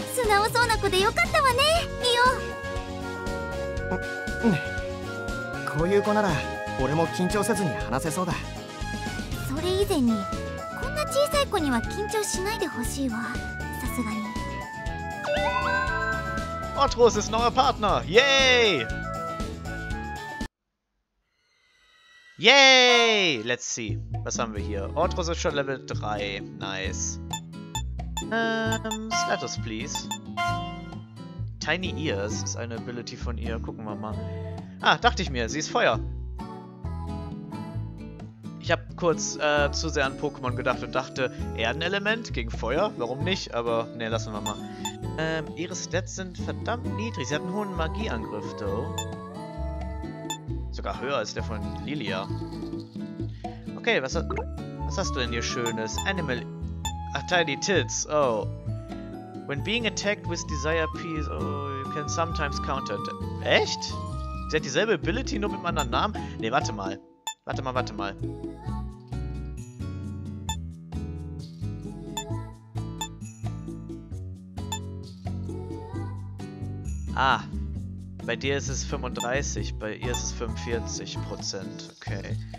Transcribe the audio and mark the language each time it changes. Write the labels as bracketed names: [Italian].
[Japanese] 素直そうな子でよかったわね、リオ。こういう子なら俺も緊張せずに話せそうだ。それ以前にこんな小さい子には緊張しないでほしいわ。さすがに。 [German] Otros ist neuer Partner. [English] Yay! Yay! Let's see. [German] Was haben wir hier? Otros ist schon Level 3. Nice. [English] Status, please. [German] Tiny Ears ist eine Ability von ihr. Gucken wir mal. Ah, dachte ich mir. Sie ist Feuer. Ich habe kurz zu sehr an Pokémon gedacht und dachte, Erdenelement gegen Feuer? Warum nicht? Aber ne, lassen wir mal. Ihre Stats sind verdammt niedrig. Sie hat einen hohen Magieangriff, though. Sogar höher als der von Lilia. Okay, was hast du denn hier Schönes? Animal... Ach, Tiny Tits. Oh. [English] When being attacked with Desire Piece, oh, you can sometimes counter... [German] Echt? Sie hat dieselbe Ability, nur mit einem anderen Namen? Ne, warte mal. Warte mal. Ah, bei dir ist es 35, bei ihr ist es 45%, okay.